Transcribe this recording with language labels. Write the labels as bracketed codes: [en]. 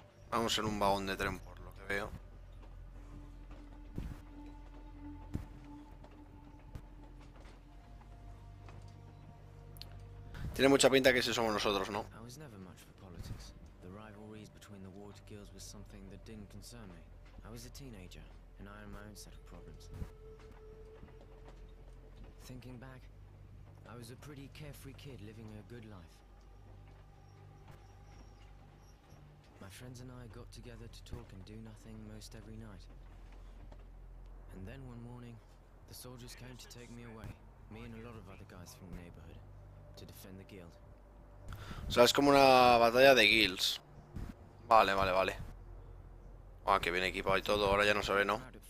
[es] Vamos en un vagón de tren por lo que veo. Tiene mucha pinta que si somos nosotros, ¿no? [en] I was never much for politics. The rivalries between the water guilds was something that didn't concern me. I was a teenager, and I had my own set of problems. Thinking back, I was a pretty carefree kid living a good life. My friends and I got together to talk and do nothing most every night. And then one morning, the soldiers came to take me away, me and a lot of other guys from the neighborhood. To defend the guild. [es] O sea, es como una batalla de guilds. Vale. Ah, que viene equipado y todo, ahora ya no se ve, ¿no?